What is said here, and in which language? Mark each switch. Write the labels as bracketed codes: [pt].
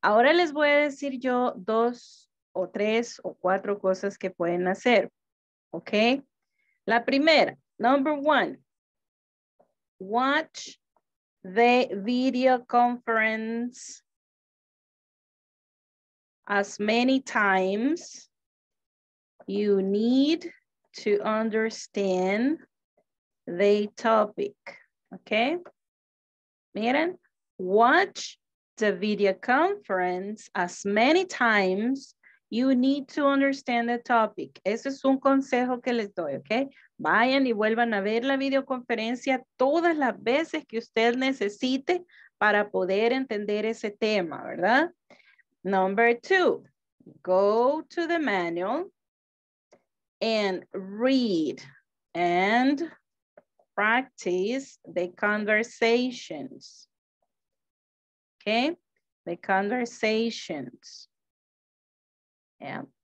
[es] Ahora les voy a decir yo dos o tres o cuatro cosas que pueden hacer. Okay. La primera, [en] number one. Watch the video conference as many times you need to understand the topic. Okay? Miren, watch the video conference as many times you need to understand the topic. [es] Ese es un consejo que les doy, okay? Vayan y vuelvan a ver la videoconferencia todas las veces que usted necesite para poder entender ese tema, ¿verdad? [en] Number two, go to the manual and read and practice the conversations. Okay, the conversations. Yeah.